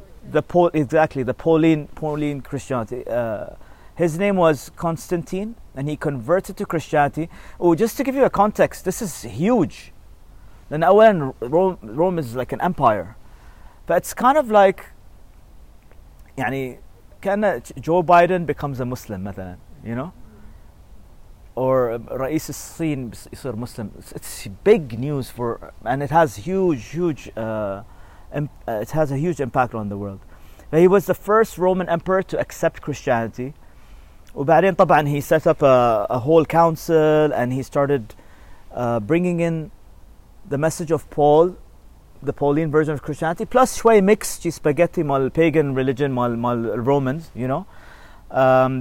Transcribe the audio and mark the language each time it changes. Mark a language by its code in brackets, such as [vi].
[en] The Pauline Christianity. His name was Constantine, and he converted to Christianity. Oh, just to give you a context, this is huge. Then Rome is like an empire. But it's kind of like, [ar] يعني, كان [en] Joe Biden becomes a Muslim, [ar] مثلا, [en] you know? Or [ar] رئيس الصين يصير Muslim. [en] It's big news for, and it has huge impact on the world. But he was the first Roman emperor to accept Christianity. [ar] وبعدين طبعا [en] he set up a whole council, and he started bringing in the message of Paul, the Pauline version of Christianity, plus [ar] شوي [en] mixed spaghetti [ar] مال [en] pagan religion مال Romans, you know.